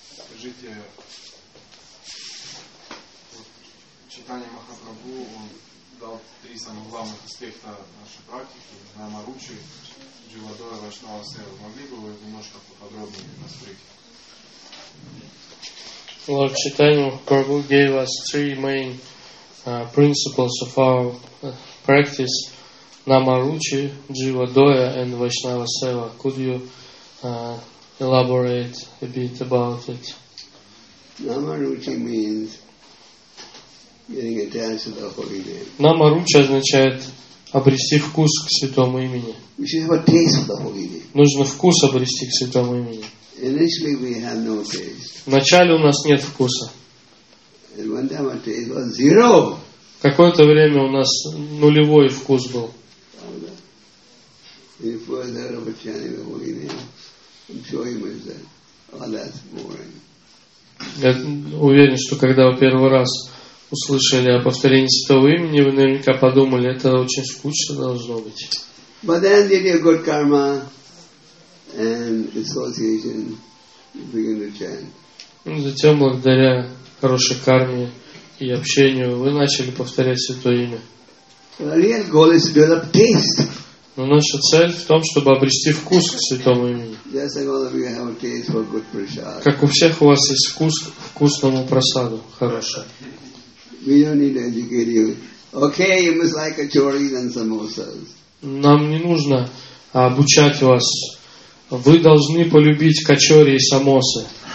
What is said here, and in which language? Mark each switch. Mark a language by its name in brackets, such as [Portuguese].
[Russian] Скажите, читание Махапрабху, он дал три самых главных аспекта нашей практики. Намаручи, Дживадора, Вайшнава Сева. Могли бы вы немножко поподробнее раскрыть? [English] Lord Chaitanya Prabhu gave us three main principles of our practice, Namaruchi, Jiva Doya, and Vaishnava Seva. Could you elaborate a bit about it? Namaruchi means getting attached to the holy name. [Russian] Namaruchi означает обрести вкус к святому имени. [English] We should have a taste of the holy name. [Russian] Нужно вкус обрести к святому имени. [English] Initially we had no taste. [Russian] Вначале у нас нет вкуса. [English] And one time our taste was zero. [Russian] Какое-то время у нас нулевой вкус был. Я уверен, что когда вы первый раз услышали о повторении святого имени, вы наверняка подумали, это очень скучно должно быть. [English] But then did you good karma? And association begin to chant. [Russian] Ну, затем, благодаря хорошей карме и общению, вы начали повторять святое имя. [English] But our real goal is to develop taste. [Russian] Но наша цель в том, чтобы обрести вкус к святому имени. [English] Yes, I know that we have a taste for good prasad. [Russian] Как у всех у вас есть вкус к вкусному просаду, хороший. [English] We don't need to educate you. Okay, you must like kachoris and samosas. [Russian] Нам не нужно обучать вас. Вы должны полюбить качори и самосы.